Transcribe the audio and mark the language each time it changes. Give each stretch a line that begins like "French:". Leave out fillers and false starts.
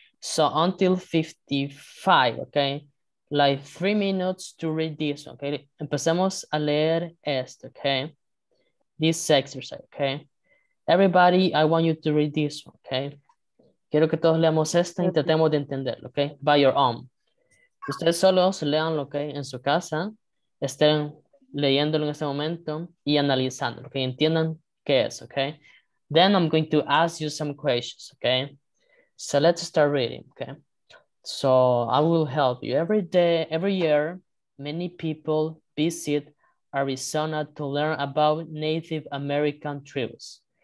English: So until 55, okay? Like 3 minutes to read this, okay?
Spanish: Empecemos a leer esto, okay?
English: This exercise,
Spanish: okay?
English: Everybody, I want you to read this, okay?
Spanish: Quiero que todos leamos esto, intentemos de entenderlo, okay?
English: By your own.
Spanish: Ustedes solos lean lo que hay en su casa, estén leyéndolo en este momento y analizándolo, okay? Entiendan. Yes, okay.
English: Then I'm going to ask you some questions, okay? So let's start reading, okay? So I will help you. Every year, many people visit Arizona to learn about Native American tribes.